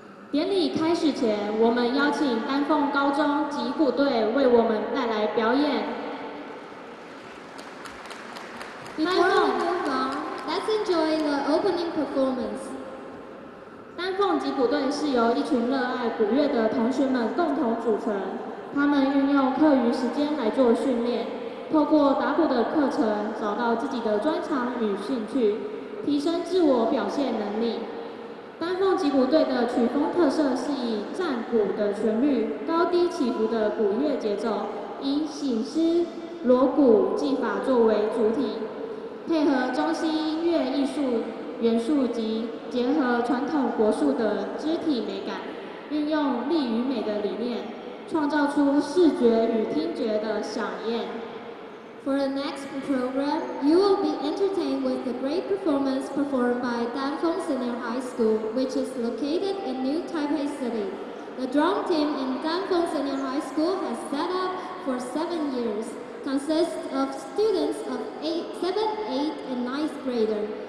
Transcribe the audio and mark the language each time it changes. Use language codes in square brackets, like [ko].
[zh] 典礼开始前，我们邀请丹凤高中击鼓队为我们带来表演。 [en] Before we move on, let's enjoy the opening performance. [zh] 丹凤击鼓队是由一群热爱鼓乐的同学们共同组成。他们运用课余时间来做训练，透过打鼓的课程找到自己的专长与兴趣，提升自我表现能力。丹凤击鼓队的曲风特色是以战鼓的旋律、高低起伏的鼓乐节奏，以醒狮、锣鼓技法作为主体，配合中西音乐艺术元素及结合传统国术的肢体美感，运用力与美的理念，创造出视觉与听觉的响应。 [en] For the next program, you will be entertained with the great performance performed by Danfeng Senior High School, which is located in New Taipei City. The drum team in Danfeng Senior High School has set up for 7 years, consists of students of 7th, 8th, and 9th grader.